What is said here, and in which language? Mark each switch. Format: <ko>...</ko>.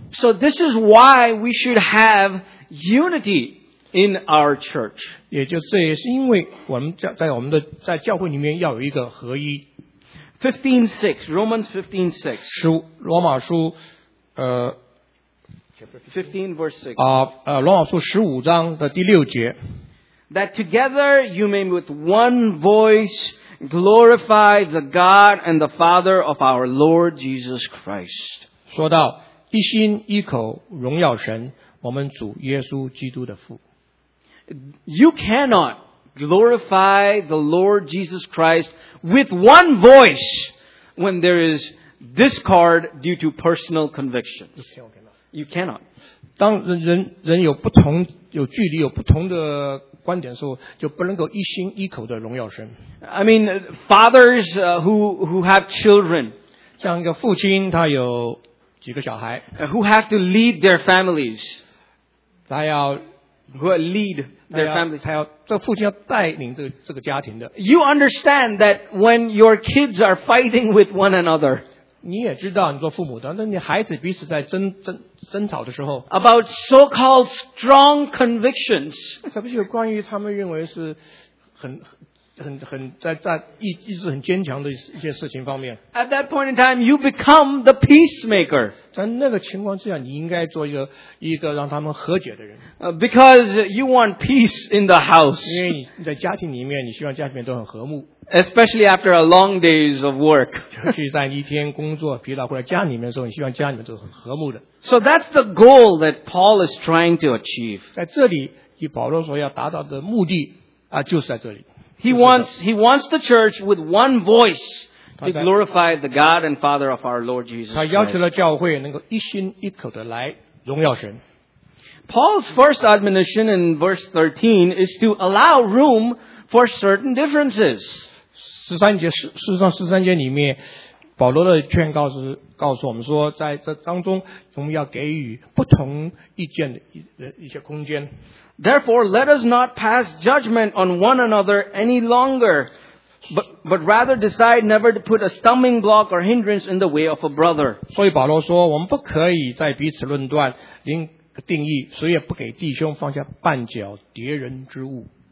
<en>So this is why we should have unity in our church.</en> <zh>也就这也是因为我们在我们的在教会里面要有一个合一。</zh> <en>15:6, Romans 15:6.</en> <zh>罗马书15:6. 罗马书十五章的第六节。</zh> <en>That together you may with one voice glorify the God and the Father of our Lord Jesus Christ.</en> <zh>说到一心一口荣耀神，我们主耶稣基督的父。</zh> <en>You cannot glorify the Lord Jesus Christ with one voice when there is discord due to personal convictions. You cannot.</en> <zh>当人有不同有距离有不同的观点的时候就不能够一心一口的荣耀神。</zh> <en>I mean, fathers who have children,</en> <zh>像一个父亲他有几个小孩</zh> <en>who have to lead their families,</en> <zh>他要</zh> <en>who lead their families,</en> <zh>他要这父亲要带领这个家庭的。</zh> <en>You understand that when your kids are fighting with one another,</en> <zh>你也知道你做父母的那你孩子彼此在 争吵的时候</zh> <en>about so-called strong convictions</en> <zh>特别是关于他们认为是 很在意志很坚强的一些事情方面</zh> <en>at that point in time you become the peacemaker</en> <zh>在那个情况之下你应该做一个让他们和解的人</zh> <en>because you want peace in the house</en> <zh>因为你在家庭里面你希望家庭里面都很和睦</zh> <en>Especially after a long days of work.</en> <zh>就是在一天工作疲劳回来家里面的时候，你希望家里面都很和睦的。</zh> <en>So that's the goal that Paul is trying to achieve.</en> <zh>在这里，以保罗所要达到的目的啊，就是在这里。</zh> <en>He wants the church with one voice to glorify the God and Father of our Lord Jesus.</en> <zh>他要求了教会能够一心一口的来荣耀神。</zh> <en>Paul's first admonition in verse 13 is to allow room for certain differences.</en> <zh>十三节事实上十三节里面保罗的劝告是告诉我们说在这当中我们要给予不同意见的 一些空间</zh> <en>Therefore let us not pass judgment on one another any longer but rather decide never to put a stumbling block or hindrance in the way of a brother</en> <zh>所以保罗说我们不可以在彼此论断定义所以也不给弟兄放下绊脚敌人之物</zh>